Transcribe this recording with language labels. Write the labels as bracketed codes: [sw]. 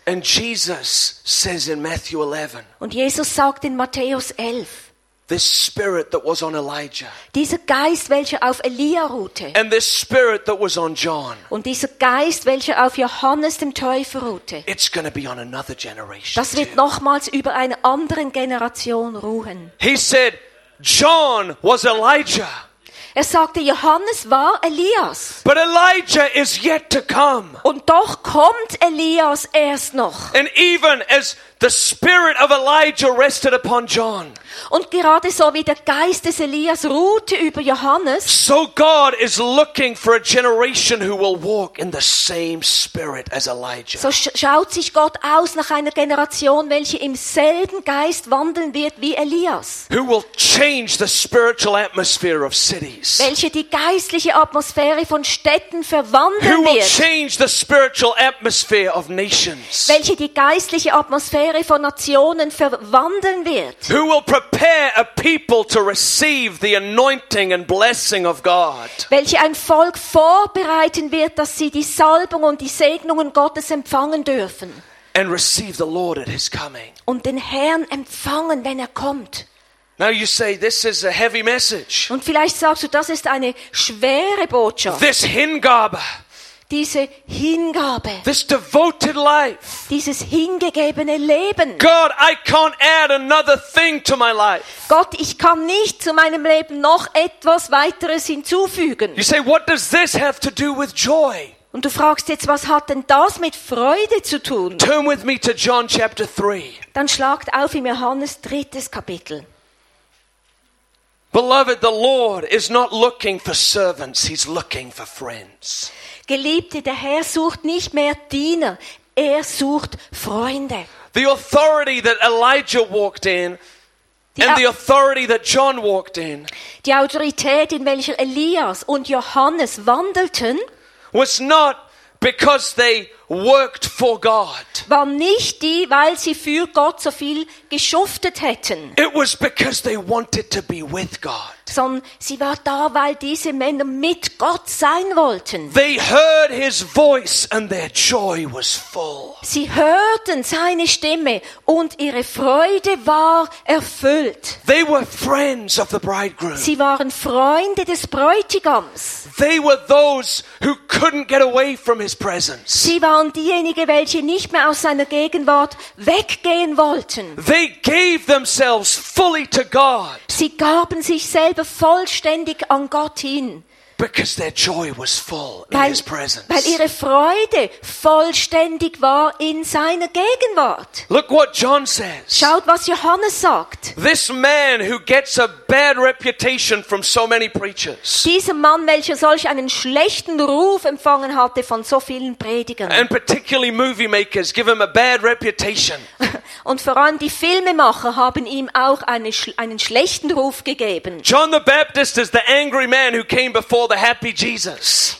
[en] And Jesus says in Matthew 11, [de] und Jesus sagt in Matthäus 11, [en] this spirit that was on Elijah, [de] dieser Geist, welcher auf Elia ruhte, [en] and this spirit that was on John, [de] und dieser Geist, welcher auf Johannes dem Täufer ruhte, [en] it's gonna be on another generation, [de] das wird nochmals über einer anderen Generation ruhen. [en] He said, John was Elijah. [de] Er sagte, Johannes war Elias. [en] But Elijah is yet to come. [de] Und doch kommt Elias erst noch. [en] And even as the spirit of Elijah rested upon John. [de] Und gerade so wie der Geist des Elias ruhte über Johannes. [en] So God is looking for a generation who will walk in the same spirit as Elijah. [de] So schaut sich Gott aus nach einer Generation, welche im selben Geist wandeln wird wie Elias. [en] Who will change the spiritual atmosphere of cities. [de] Welche die geistliche Atmosphäre von Städten verwandeln wird. [en] Who will change the spiritual atmosphere of nations. [de] Welche die geistliche Atmosphäre von Nationen verwandeln wird. [en] Who will prepare a people to receive the anointing and blessing of God? [de] Welche ein Volk vorbereiten wird, dass sie die Salbung und die Segnungen Gottes empfangen dürfen. [en] And receive the Lord at his coming. [de] Und den Herrn empfangen, wenn er kommt. [en] Now you say this is a heavy message. [de] Und vielleicht sagst du, das ist eine schwere Botschaft. [en] This Hingabe. [de] Diese Hingabe. [en] This devoted life. [de] Dieses hingegebene Leben. [en] God, I can't add another thing to my life. [de] Gott, ich kann nicht zu meinem Leben noch etwas weiteres hinzufügen. [en] You say, what does this have to do with joy? [de] Und du fragst jetzt, was hat denn das mit Freude zu tun? [en] Turn with me to John chapter 3. [de] Dann schlagt auf im Johannes drittes Kapitel. [en] Beloved, the Lord is not looking for servants, he's looking for friends. [de] Geliebte, der Herr sucht nicht mehr Diener, er sucht Freunde. [en] The authority that Elijah walked in and the authority that John walked in. [de] Die Autorität, in welcher Elias und Johannes wandelten, [en] was not because they worked for God. [de] War nicht die, weil sie für Gott so viel geschuftet hätten. [en] It was because they wanted to be with God. [de] Sondern sie war da, weil diese Männer mit Gott sein wollten. [en] They heard his voice and their joy was full. [de] Sie hörten seine Stimme und ihre Freude war erfüllt. [en] They were friends of the bridegroom. [de] Sie waren Freunde des Bräutigams. [en] They were those who couldn't get away from his presence. [de] Sie waren diejenigen, welche nicht mehr aus seiner Gegenwart weggehen wollten. [en] They gave themselves fully to God. [de] Sie gaben sich selbst vollständig an Gott hin. [en] Because their joy was full in his presence. [de] Weil ihre Freude vollständig war in seiner Gegenwart. [en] Look what John says. [de] Schaut, was Johannes sagt. [en] This man who gets a bad reputation from so many preachers. [de] Dieser Mann, welcher solch einen schlechten Ruf empfangen hatte von so vielen Predigern. [en] And particularly movie makers give him a bad reputation. [de] Und vor allem die Filmemacher haben ihm auch einen schlechten Ruf gegeben. [en] John the Baptist is the angry man who came before the happy Jesus.